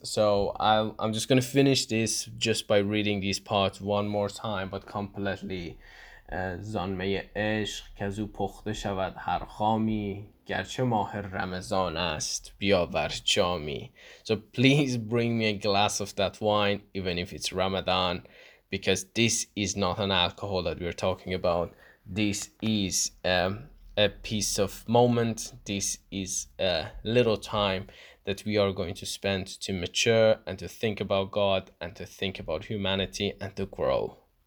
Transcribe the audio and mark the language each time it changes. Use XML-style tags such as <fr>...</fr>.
<en>So I'm just gonna finish this just by reading these parts one more time, but completely.</en> <fa>زان می عشق که از او پخته شود هر خامی گرچه ماه رمضان است بیاور جامی.</fa> <en>So please bring me a glass of that wine, even if it's Ramadan, because this is not an alcohol that we're talking about. This is a piece of moment. This is a little time that we are going to spend to mature and to think about God and to think about humanity and to grow.</en>